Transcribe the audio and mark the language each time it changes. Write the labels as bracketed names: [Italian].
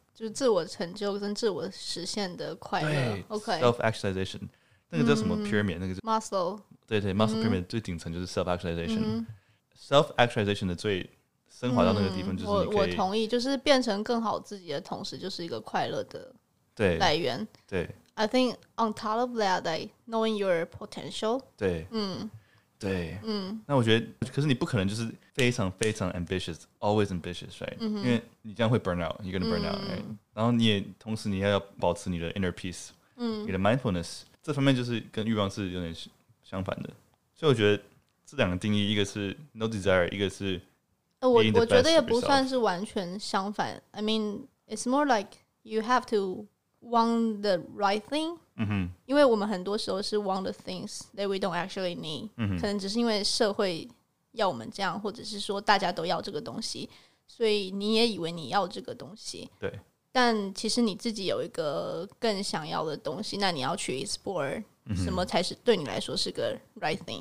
[Chinese] 就是自我成就跟自我实现的快乐。 [English] Okay. Self actualization， [Chinese] 那个叫什么 pyramid？ 那个叫 [English] muscle。 [Chinese] 对对 ，muscle pyramid 最顶层就是 self actualization。Self actualization 的最升华到那个地方，就是你可以我同意，就是变成更好自己的同时，就是一个快乐的来源。对。对 [English] I think on top of that, like knowing your potential. [Chinese] 对，对，那我觉得，可是你不可能就是非常非常 ambitious, [English] always ambitious, right？ [Chinese] 因为你这样会 burn out, [English] you're gonna burn out, right？ [Chinese] 然后你也同时你要保持你的 inner peace, 你的 mindfulness, 这方面就是跟欲望是有点相反的。所以我觉得这两个定义，一个是 no desire, 一个是我觉得也不算是完全相反。 [English] I mean, it's more like you have to want the right thing.、 Mm-hmm. [Chinese] 因为我们很多时候是 [English] want the things that we don't actually need.、 Mm-hmm. [Chinese] 可能只是因为社会要我们这样，或者是说大家都要这个东西，所以你也以为你要这个东西。对。但其实你自己有一个更想要的东西，那你要去 explore 什么才是对你来说是个 right thing、